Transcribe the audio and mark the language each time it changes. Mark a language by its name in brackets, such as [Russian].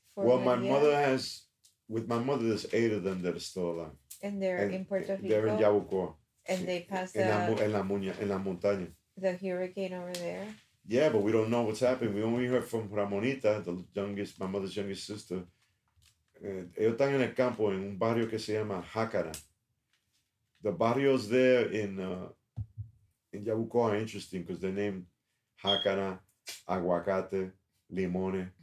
[English] Well, my mother has with my mother, there's 8 of them that are still alive. And they're in Puerto Rico? They're in Yabucoa. And they passed [Spanish] en la montaña. [English] The hurricane over there? Yeah, but we don't know what's happening. We only heard from Ramonita, my mother's youngest sister. [Spanish] Ellos están en el campo, en un barrio que se llama Jacara. [English] The barrios there in Yabucoa are interesting because they're named Jacara, Aguacate, Limone.